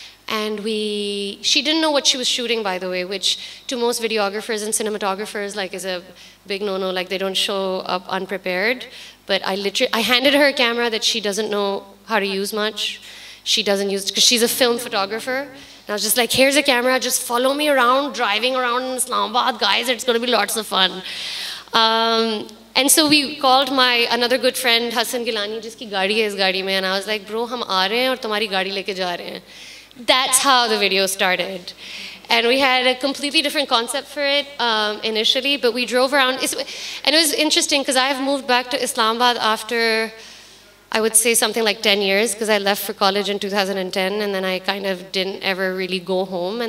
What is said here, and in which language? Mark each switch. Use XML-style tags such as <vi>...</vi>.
<en>And she didn't know what she was shooting, by the way, which to most videographers and cinematographers like is a big no-no, like they don't show up unprepared. But I handed her a camera that she doesn't know how to use much. She doesn't use, because she's a film photographer. And I was just like, here's a camera, just follow me around, driving around in Islamabad, guys, it's gonna be lots of fun. And so we called another good friend,</en> <ur>حسن گیلانی, جس کی گاڑی ہے اس گاڑی میں,</ur> <en>and I was like, bro,</en> <ur>ہم آ رہے ہیں اور تمہاری گاڑی لے کے جا رہے ہیں.</ur> <en>That's how the video started. And we had a completely different concept for it initially, but we drove around. And it was interesting because I have moved back to Islamabad after, I would say something like 10 years, because I left for college in 2010 and then I kind of didn't ever really go home.</en>